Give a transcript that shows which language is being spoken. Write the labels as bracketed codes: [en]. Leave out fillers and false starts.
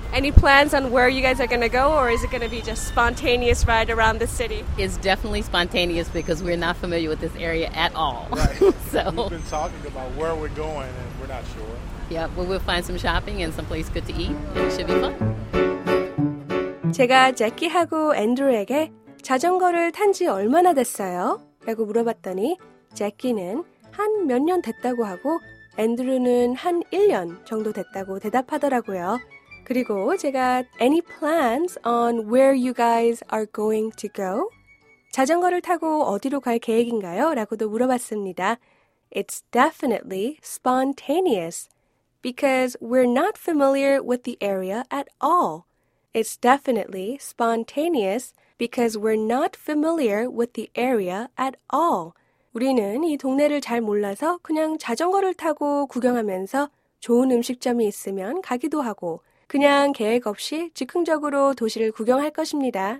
[en] Any plans on where you guys are going to go, or is it going to be just spontaneous ride around the city? It's definitely spontaneous because we're not familiar with this area at all. Right. So we've been talking about where we're going, and we're not sure. Yeah, well, we'll find some shopping and some place good to eat, and it should be fun. [ko] 제가 제키하고 앤드루에게 자전거를 탄 지 얼마나 됐어요? 라고 물어봤더니 제키는 한 몇 년 됐다고 하고 앤드루는 한 1년 정도 됐다고 대답하더라고요. 그리고 제가 [en] Any plans on where you guys are going to go? [ko] 자전거를 타고 어디로 갈 계획인가요? 라고도 물어봤습니다. [en] It's definitely spontaneous because we're not familiar with the area at all. It's definitely spontaneous because we're not familiar with the area at all. [ko] 우리는 이 동네를 잘 몰라서 그냥 자전거를 타고 구경하면서 좋은 음식점이 있으면 가기도 하고 그냥 계획 없이 즉흥적으로 도시를 구경할 것입니다.